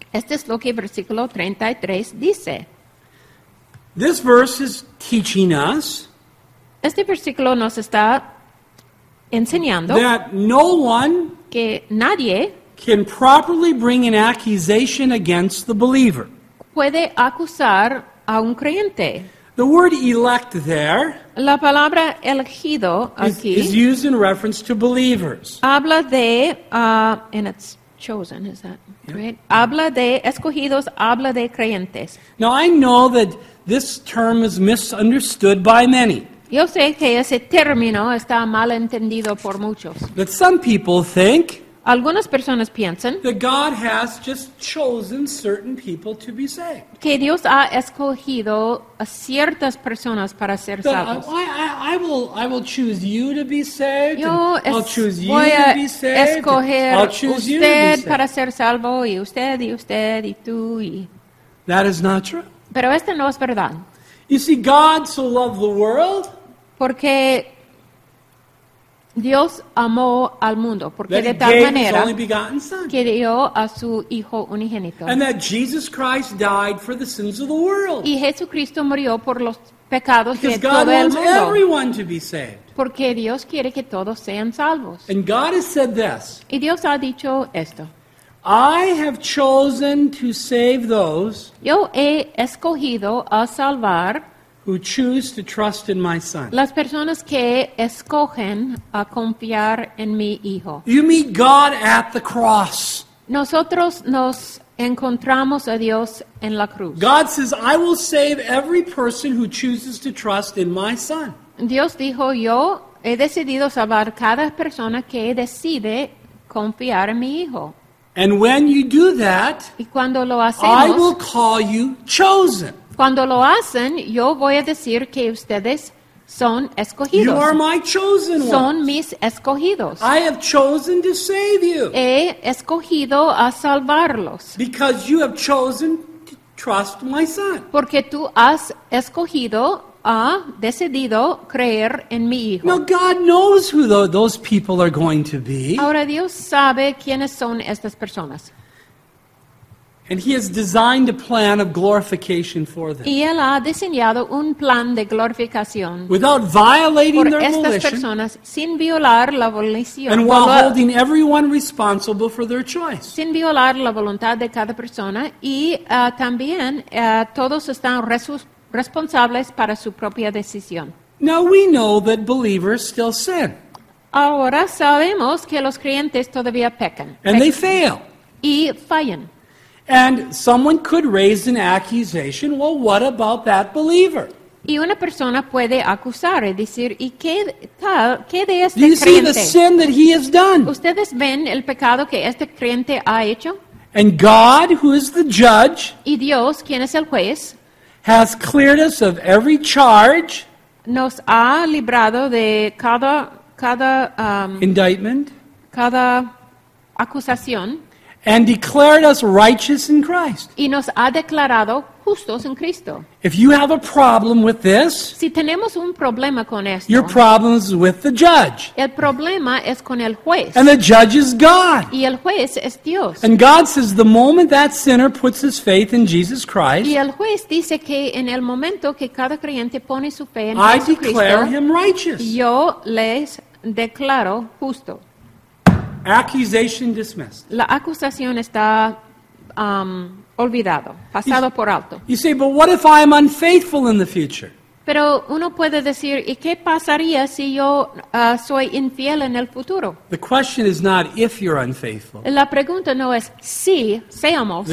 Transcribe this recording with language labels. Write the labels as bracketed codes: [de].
[es] Este es lo que versículo 33 dice. [en] This verse is teaching us. [es] Este versículo nos está enseñando [en] that no one [es] que nadie [en] can properly bring an accusation against the believer. [es] Puede acusar a un creyente. [en] The word elect there, [es] la palabra elegido aquí, [en] is used in reference to believers. [es] Habla de, [en] and it's chosen, is that right? Yep. [es] Habla de escogidos, habla de creyentes. [en] Now I know that this term is misunderstood by many. [es] Yo sé que ese término está mal entendido por muchos. [en] But some people think [es] algunas personas piensan [en] that God has just chosen certain people to be saved. [es] Que Dios ha escogido a ciertas personas para ser [en] that [es] salvos. [en] I will choose you to be saved. [es] Yo [en] I'll choose you to be saved. [es] Escoger [en] I'll choose [es] usted [en] you to be saved. [es] Para ser salvo y usted y usted y tú y [en] that is not true. [es] Pero esto no es verdad. [en] You see, God so loved the world. [es] Porque Dios amó al mundo porque [en] that [es] de tal manera [en] only begotten son. [es] Que dio a su Hijo unigénito. [en] And that Jesus Christ died for the sins of the world. [es] Y Jesucristo murió por los pecados [en] because [es] de todo [en] God [es] el mundo. [en] Because God wants everyone to be saved. [es] Porque Dios quiere que todos sean salvos. [en] And God has said this. [es] Y Dios ha dicho esto. [en] I have chosen to save those [es] yo he escogido a salvar [en] who choose to trust in my son. [es] Las personas que escogen a confiar en mi hijo. [en] You meet God at the cross. [es] Nosotros nos encontramos a Dios en la cruz. [en] God says, I will save every person who chooses to trust in my son. [es] Dios dijo, yo he decidido salvar cada persona que decide confiar en mi hijo. [en] And when you do that, [es] y cuando lo hacemos, [en] I will call you chosen. [es] Cuando lo hacen, yo voy a decir que ustedes son escogidos. [en] You are my chosen ones. [es] Son mis escogidos. [en] I have chosen to save you. [es] He escogido a salvarlos. [en] Because you have chosen to trust my son. [es] Porque tú has escogido ha decidido creer en mi hijo. [en] Now God knows who those people are going to be. [es] Ahora Dios sabe quiénes son estas personas. [en] And he has designed a plan of glorification for them. [es] Y él ha diseñado un plan de glorificación. [en] Without violating their volition. [es] Por estas personas, sin violar la volición. [en] And while holding everyone responsible for their choice. [es] Sin violar la voluntad de cada persona. Y también todos están responsables para su propia decisión. [en] Now we know that believers still sin. [es] Ahora sabemos que los creyentes todavía pecan. [en] And they fail. [es] Y fallan. [en] And someone could raise an accusation, well, what about that believer? [es] Y una persona puede acusar y decir, ¿y qué tal, qué de este [en] Do you [es] creyente? [en] See the sin that he has done? [es] ¿Ustedes ven el pecado que este creyente ha hecho? [en] And God, who is the judge, [es] y Dios, ¿quién es el juez? [en] Has cleared us of every charge. [es] Nos ha librado de cada [en] indictment. [es] Cada acusación. [en] And declared us righteous in Christ. [es] Y nos ha declarado justos en Cristo. [en] If you have a problem with this, [es] si tenemos un problema con esto, [en] your problem is with the judge. [es] El problema es con el juez. [en] And the judge is God. [es] Y el juez es Dios. [en] And God says the moment that sinner puts his faith in Jesus Christ, [es] y el juez dice que en el momento que cada creyente pone su fe en Jesucristo, [en] I declare him righteous. [es] Yo les declaro justo. [en] Accusation dismissed. [es] La acusación está olvidado, pasado por alto. [en] You say, but what if I am unfaithful in the future? [es] Pero uno puede decir, ¿y qué pasaría si yo soy infiel en el futuro? [en] The question is not if you're unfaithful. [es] La pregunta no es si seamos